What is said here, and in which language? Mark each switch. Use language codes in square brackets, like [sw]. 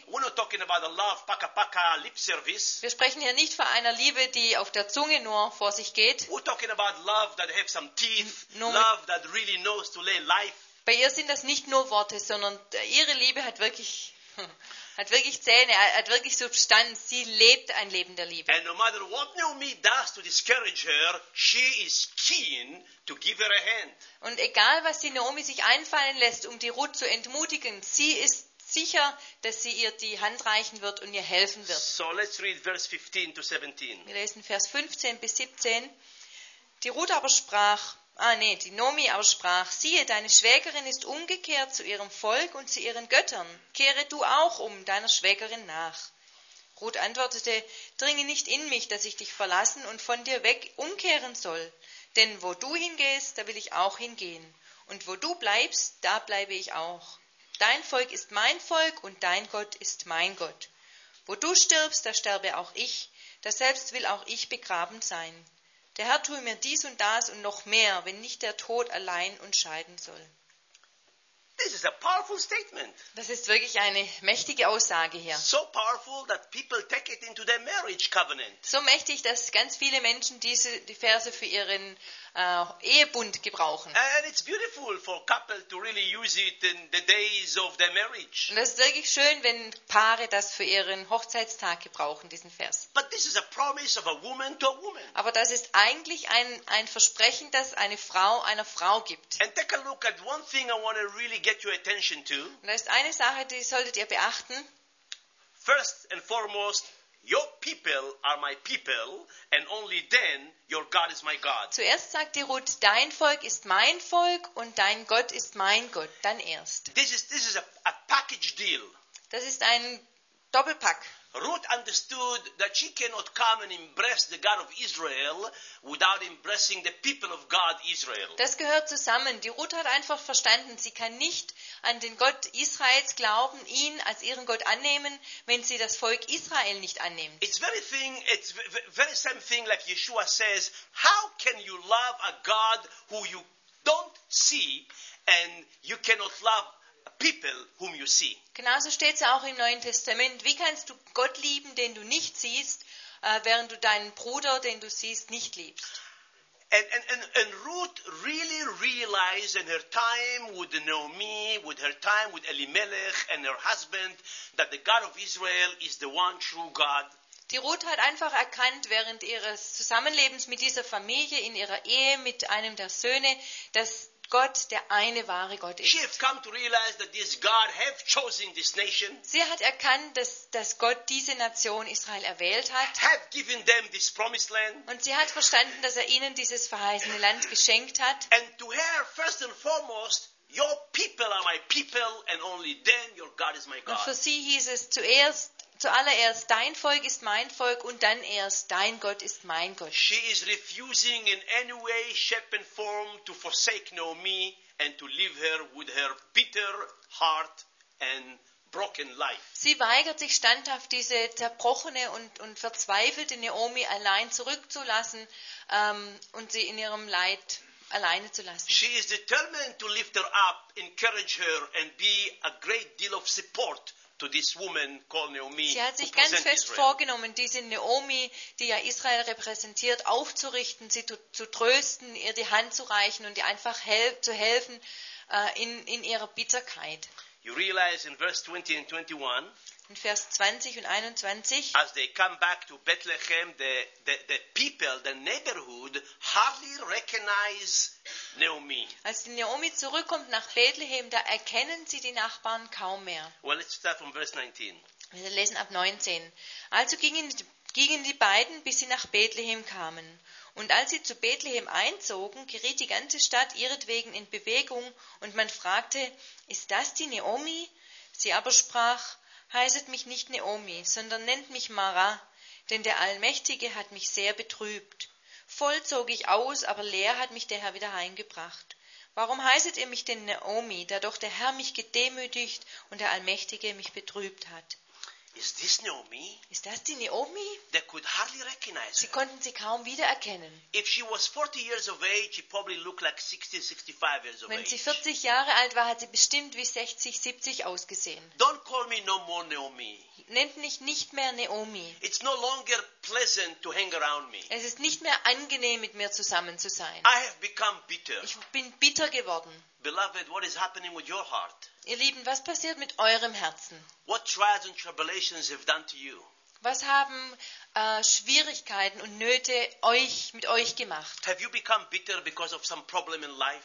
[en] We're not talking about the love, paka, paka, lip service. [de] Wir sprechen hier nicht von einer Liebe, die auf der Zunge nur vor sich geht. [en] We're talking about love that have some teeth, love that really knows to lay life. [de] Bei ihr sind das nicht nur Worte, sondern ihre Liebe hat wirklich Zähne, hat wirklich Substanz. Sie lebt ein Leben der Liebe. [en] And no matter what Naomi does to discourage her, she is keen to give her a hand. [de] Und egal, was die Naomi sich einfallen lässt, um die Ruth zu entmutigen, sie ist sicher, dass sie ihr die Hand reichen wird und ihr helfen wird. [en] So let's read verse 15 to 17. [de] Wir lesen Vers 15 bis 17. Die Ruth aber sprach, die Naomi aber sprach, siehe, deine Schwägerin ist umgekehrt zu ihrem Volk und zu ihren Göttern. Kehre du auch um deiner Schwägerin nach. Ruth antwortete, dringe nicht in mich, dass ich dich verlassen und von dir weg umkehren soll. Denn wo du hingehst, da will ich auch hingehen. Und wo du bleibst, da bleibe ich auch. Dein Volk ist mein Volk und dein Gott ist mein Gott. Wo du stirbst, da sterbe auch ich. Das selbst will auch ich begraben sein. Der Herr tue mir dies und das und noch mehr, wenn nicht der Tod allein uns scheiden soll. [en] This is a powerful statement. [de] Das ist wirklich eine mächtige Aussage hier. [en] So powerful that people take it into their marriage covenant. [de] So mächtig, dass ganz viele Menschen die Verse für ihren Ehebund gebrauchen. [en] And it's beautiful for couple to really use it in the days of their marriage. [de] Und das ist wirklich schön, wenn Paare das für ihren Hochzeitstag gebrauchen, diesen Vers. [en] But this is a promise of a woman to a woman. [de] Aber das ist eigentlich ein Versprechen, das eine Frau einer Frau gibt. [en] And take a look at one thing I want to really get your attention to. [de] Und das ist eine Sache, die solltet ihr beachten. [en] First and foremost, your people are my people, and only then your God is my God. [de] Zuerst sagt die Ruth, dein Volk ist mein Volk und dein Gott ist mein Gott. Dann erst. [en] This is a package deal. [de] Das ist ein Doppelpack. [en] Ruth understood that she cannot come and embrace the God of Israel without embracing the people of God Israel. [de] Das gehört zusammen. Die Ruth hat einfach verstanden, sie kann nicht an den Gott Israels glauben, ihn als ihren Gott annehmen, wenn sie das Volk Israel nicht annimmt. [en] It's very same thing like Yeshua says, how can you love a God who you don't see and you cannot love people whom you see. [de] Genauso steht es auch im Neuen Testament. Wie kannst du Gott lieben, den du nicht siehst, während du deinen Bruder, den du siehst, nicht liebst? [en] And Ruth really realized in her time with Naomi, with her time with Elimelech and her husband, that the God of Israel is the one true God. [de] Die Ruth hat einfach erkannt, während ihres Zusammenlebens mit dieser Familie, in ihrer Ehe mit einem der Söhne, dass Gott, der eine wahre Gott ist. [en] She has come to realize that this God have chosen this nation. [de] Sie hat erkannt, dass Gott diese Nation Israel erwählt hat. [en] Have given them this promised land. [de] Und sie hat verstanden, dass er ihnen dieses verheißene Land geschenkt hat. [en] And to her, first and foremost, your people are my people, and only then your God is my God. [de] Und für sie hieß es zuallererst, dein Volk ist mein Volk und dann erst, dein Gott ist mein Gott. [en] She is refusing in any way, shape and form to forsake Naomi and to leave her with her bitter heart and broken life. [de] Sie weigert sich standhaft, diese zerbrochene und verzweifelte Naomi allein zurückzulassen und sie in ihrem Leid alleine zu lassen. [en] She is determined to lift her up, encourage her and be a great deal of support to this woman called Naomi. [de] Sie hat sich ganz fest vorgenommen, diese Naomi, die ja Israel repräsentiert, aufzurichten, sie zu trösten, ihr die Hand zu reichen und ihr einfach zu helfen in ihrer Bitterkeit. [en] You realize in verse 20 and 21, [de] in Vers 20 und 21, [en] as they come back to Bethlehem, the people, the neighborhood, hardly recognize Naomi. [de] Als die Naomi zurückkommt nach Bethlehem, da erkennen sie die Nachbarn kaum mehr. [en] Well, let's start from verse 19. [de] Wir lesen ab 19. Also gingen die beiden, bis sie nach Bethlehem kamen. Und als sie zu Bethlehem einzogen, geriet die ganze Stadt ihretwegen in Bewegung und man fragte, ist das die Naomi? Sie aber sprach, heißet mich nicht Naomi, sondern nennt mich Mara, denn der Allmächtige hat mich sehr betrübt. Voll zog ich aus, aber leer hat mich der Herr wieder heimgebracht. Warum heißet ihr mich denn Naomi, da doch der Herr mich gedemütigt und der Allmächtige mich betrübt hat? [en] Is this Naomi? [de] Ist das die Naomi? [en] They could hardly recognize her. [de] Sie konnten sie kaum wiedererkennen. [en] If she was 40 years of age, she probably looked like 60, 65 years of age. [de] Wenn sie 40 Jahre alt war, hat sie bestimmt wie 60, 70 ausgesehen. [en] Don't call me no more Naomi. [de] Nennt mich nicht mehr Naomi. [en] It's no longer pleasant to hang around me. [de] Es ist nicht mehr angenehm, mit mir zusammen zu sein. [en] I have become bitter. [de] Ich bin bitter geworden. [en] Beloved, what is happening with your heart? [de] Ihr Lieben, was passiert mit eurem Herzen? [en] What trials and tribulations have done to you? [de] Was haben Schwierigkeiten und Nöte euch mit euch gemacht? [en] Have you become bitter because of some problem in life?